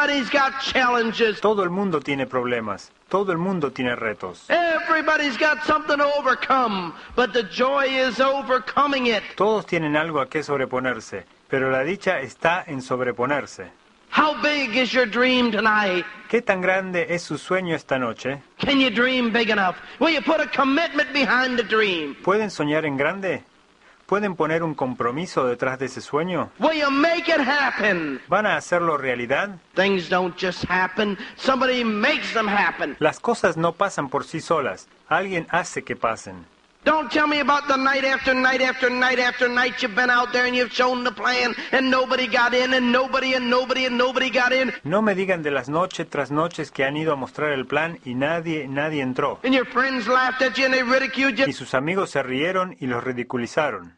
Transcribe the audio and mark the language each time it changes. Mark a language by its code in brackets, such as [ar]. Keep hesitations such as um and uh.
[es] got Todo el mundo tiene problemas. Todo el mundo tiene retos. [en] Got to overcome, but the joy is it. [es] Todos tienen algo a qué sobreponerse, pero la dicha está en sobreponerse. [en] How big is your dream tonight? [es] ¿Qué tan grande es su sueño esta noche? [en] Can you dream big enough? Will you put a commitment behind the dream? [es] ¿Pueden soñar en grande? ¿Pueden poner un compromiso detrás de ese sueño? [en] Will you make it happen? [es] ¿Van a hacerlo realidad? [en] Things don't just happen. Somebody makes them happen. [es] Las cosas no pasan por sí solas. Alguien hace que pasen. [en] Don't tell me about the night after night after night after night you've been out there and you've shown the plan and nobody got in and nobody and nobody and nobody got in. [es] No me digan de las noches tras noches que han ido a mostrar el plan y nadie nadie entró. [en] And your friends laughed at you and they ridiculed you. [es] Y sus amigos se rieron y los ridiculizaron.